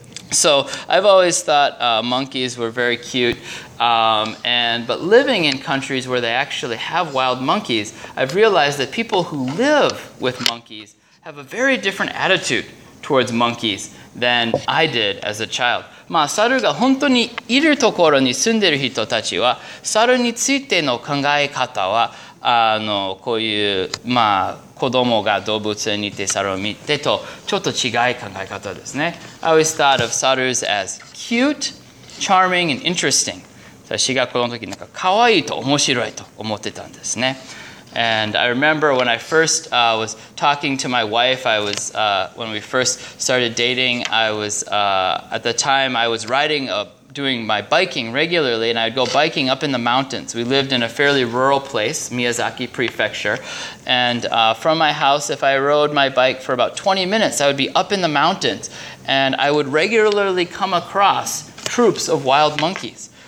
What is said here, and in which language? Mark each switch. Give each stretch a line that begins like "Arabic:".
English: So I've always thought monkeys were very cute, but living in countries where they actually have wild monkeys, I've realized that people who live with monkeys have a very different attitude towards monkeys than I did as a child.
Japanese: まあ、猿が本当にいるところに住んでいる人たちは、猿についての考え方は、こういう、まあ、子供が動物園にいて猿を見てとちょっと違う考え方ですね。
English: I always thought of 猿 as cute, charming, and interesting.
Japanese: 私が子供の時なんか可愛いと面白いと思ってたんですね。
English: And I remember when I first was talking to my wife, I was when we first started dating, I was at the time I was riding doing my biking regularly, and I'd go biking up in the mountains. We lived in a fairly rural place, Miyazaki Prefecture, and from my house, if I rode my bike for about 20 minutes, I would be up in the mountains, and I would regularly come across troops of wild monkeys.